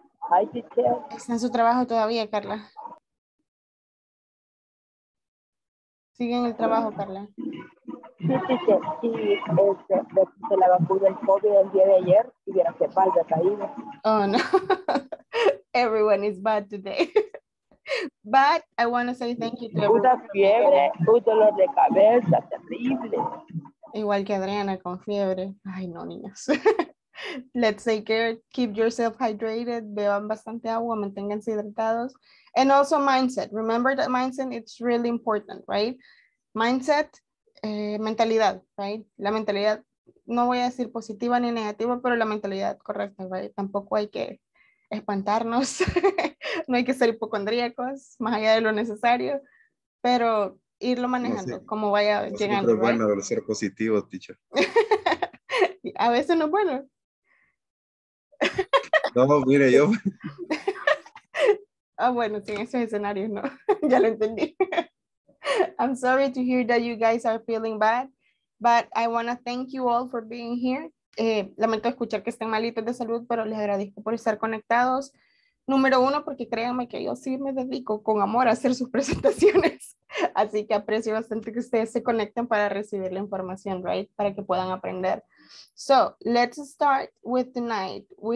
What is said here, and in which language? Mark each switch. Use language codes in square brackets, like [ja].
[en] Hi, teacher. [es] ¿Está en su trabajo todavía, Carla? ¿Sigue en el trabajo, Carla? Sí, teacher. Sí, se la vacunó el COVID el día de ayer y vieron que falta caída. [en] Oh, no. Everyone is bad today. But I want to say thank you to everyone. [es] Una fiebre, un dolor de cabeza terrible. Igual que Adriana, con fiebre. Ay, no, niños. [en] Let's take care. Keep yourself hydrated. [es] Beban bastante agua. Manténganse hidratados. [en] And also mindset. Remember that mindset, it's really important, right? Mindset, mentalidad, right? [es] La mentalidad, no voy a decir positiva ni negativa, pero la mentalidad correcta, right? Tampoco hay que espantarnos. No hay que ser hipocondríacos, más allá de lo necesario. Pero irlo manejando, no, sí, como vaya no, llegando. Siempre es bueno ser positivo, teacher. A veces no es bueno. No, mire, yo. Ah, bueno, sin esos escenarios, no. Ya lo entendí. [en] I'm sorry to hear that you guys are feeling bad, but I want to thank you all for being here. [es] Lamento escuchar que estén malitos de salud, pero les agradezco por estar conectados. Número uno, porque créanme que yo sí me dedico con amor a hacer sus presentaciones. Así que aprecio bastante que ustedes se conecten para recibir la información, right? Para que puedan aprender. [en] So, let's start with tonight.